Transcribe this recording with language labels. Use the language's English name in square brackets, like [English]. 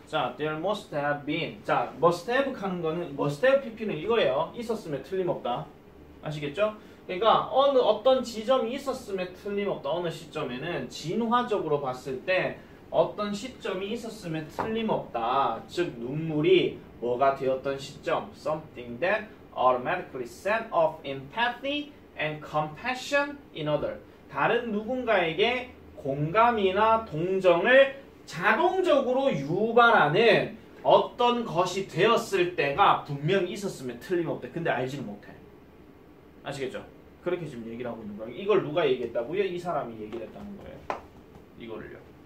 [Korean] 자, [English] There must have been. 자, must have [Korean] 하는 거는 [English] must have pp는 [Korean] 이거예요. 있었으면 틀림없다. 아시겠죠? 그러니까 어떤 지점이 있었으면 틀림없다. 어느 시점에는 진화적으로 봤을 때 어떤 시점이 있었으면 틀림없다. 즉, 눈물이 뭐가 되었던 시점? [English] Something that automatically set off empathy and compassion in other. [Korean] 다른 누군가에게 공감이나 동정을 자동적으로 유발하는 어떤 것이 되었을 때가 분명히 있었으면 틀림없대. 근데 알지는 못해. 아시겠죠? 그렇게 지금 얘기를 하고 있는 거예요. 이걸 누가 얘기했다고요? 이 사람이 얘기를 했다는 거예요. 이거를요.